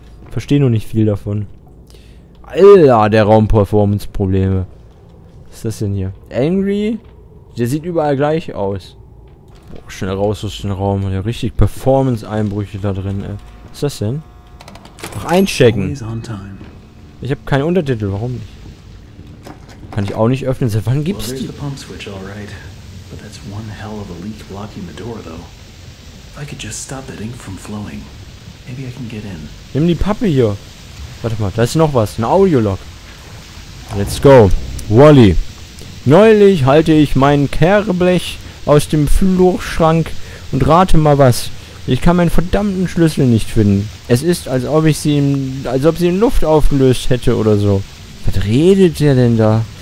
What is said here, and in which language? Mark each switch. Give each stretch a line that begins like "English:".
German: Verstehe nur nicht viel davon. Alter, der Raum-Performance-Probleme. Was ist das denn hier? Angry? Der sieht überall gleich aus. Boah, schnell raus aus dem Raum. Ja, richtig Performance-Einbrüche da drin. Was ist das denn? Noch einchecken. Ich habe keinen Untertitel, warum nicht? Kann ich auch nicht öffnen, seit wann gibt's die?
English: The pump switch, all right. But that's one hell of a leak blocking the door, though. If I could just stop that ink from flowing, maybe I can get in.
German: Nimm die Pappe hier. Warte mal, da ist noch was. Ein Audiolog.
English: Let's go.
German: Wally. Neulich halte ich mein Kehrblech aus dem Flurschrank und rate mal was. Ich kann meinen verdammten Schlüssel nicht finden. Es ist, als ob sie in Luft aufgelöst hätte oder so. Was redet der denn da?